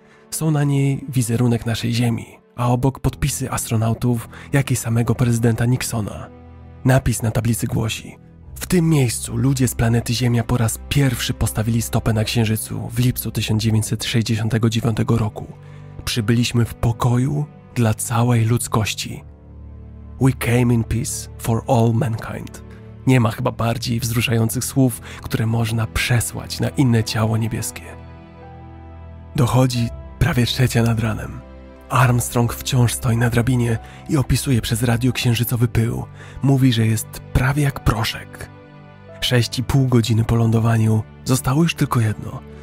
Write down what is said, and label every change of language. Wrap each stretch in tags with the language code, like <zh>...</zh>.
<pl>Są na niej wizerunek naszej Ziemi, a obok podpisy astronautów, jak i samego prezydenta Nixona. Napis na tablicy głosi: w tym miejscu ludzie z planety Ziemia po raz pierwszy postawili stopę na Księżycu w lipcu 1969 roku. Przybyliśmy w pokoju dla całej ludzkości.</pl> <en>We came in peace for all mankind.</en> <pl>Nie ma chyba bardziej wzruszających słów, które można przesłać na inne ciało niebieskie. Dochodzi prawie 3 nad ranem. Armstrong wciąż stoi na drabinie i opisuje przez radio księżycowy pył. Mówi, że jest prawie jak proszek. 6,5 godziny po lądowaniu zostało już tylko jedno.</pl>